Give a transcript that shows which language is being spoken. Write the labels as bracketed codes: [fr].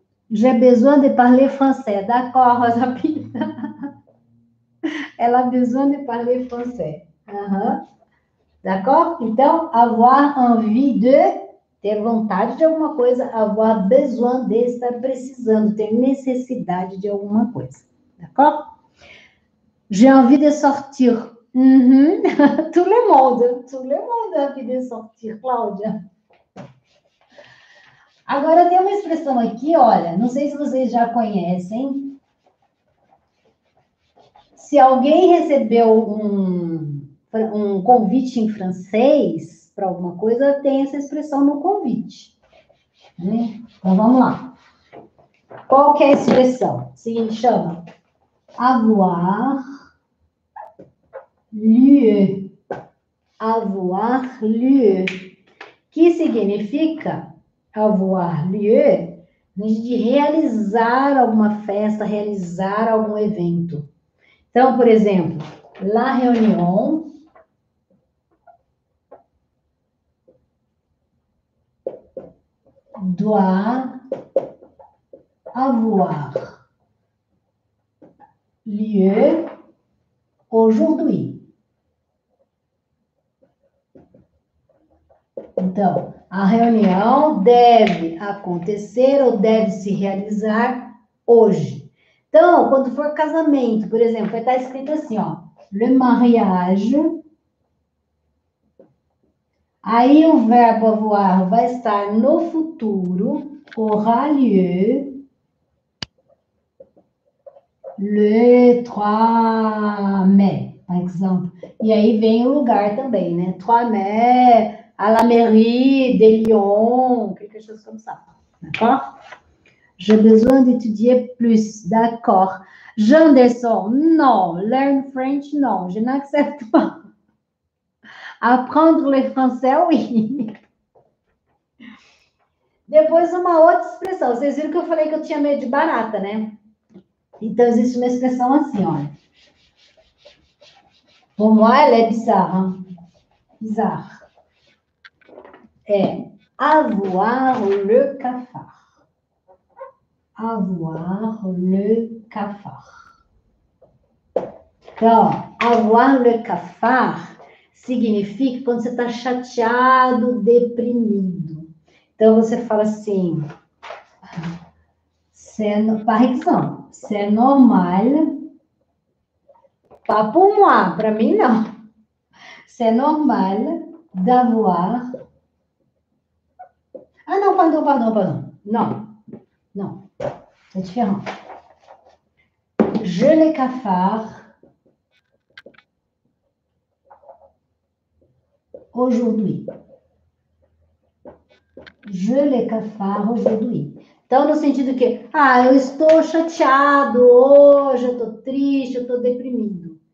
[fr] J'ai besoin de parler français. D'accord, Rosa Pinto. Ela besoin de parler français. D'accord? [pt] Então, [fr] avoir envie de, [pt] ter vontade de alguma coisa. [fr] Avoir besoin de, [pt] estar precisando, ter necessidade de alguma coisa. D'accord? [fr] J'ai envie de sortir. Tout le monde. Tout le monde a envie de sortir, Cláudia. [pt] Agora tem uma expressão aqui, olha, não sei se vocês já conhecem. Se alguém recebeu um convite em francês para alguma coisa, tem essa expressão no convite. Né? Então vamos lá. Qual que é a expressão? Se chama [fr] avoir lieu. Avoir lieu. [pt] Que significa? [fr] Avoir lieu, [pt] de realizar alguma festa, realizar algum evento. Então, por exemplo, [fr] la réunion doit avoir lieu aujourd'hui. [pt] Então, a reunião deve acontecer ou deve se realizar hoje. Então, quando for casamento, por exemplo, vai estar escrito assim, ó. [fr] Le mariage. [pt] Aí o verbo avoir vai estar no futuro. [fr] Aura lieu. Le 3 mai, [pt] por exemplo. E aí vem o lugar também, né? [fr] 3 mai. À la mairie de Lyon, quelque chose comme ça. D'accord? J'ai besoin d'étudier plus. D'accord. Janderson, non. [en] Learn French, [fr] non. Je n'accepte pas. Apprendre le français, oui. [pt] Depois, uma outra expressão. Vocês viram que eu falei que eu tinha medo de barata, né? Então, existe uma expressão assim, olha. [fr] Pour moi, elle est bizarre. Bizarre. É avoir le cafard. Avoir le cafard. [pt] Então, avoir le cafard significa quando você está chateado, deprimido. Então, você fala assim: [fr] c'est normal, pas pour moi, [pt] para mim não. [fr] C'est normal d'avoir. Ah, não, pardon, pardon, pardon. [pt] Não, não, [fr] c'est différent. Je le cafard. Aujourd'hui. Je le cafard aujourd'hui. [pt] Então, no sentido que, ah, eu estou chateado hoje, eu estou triste, eu estou deprimido.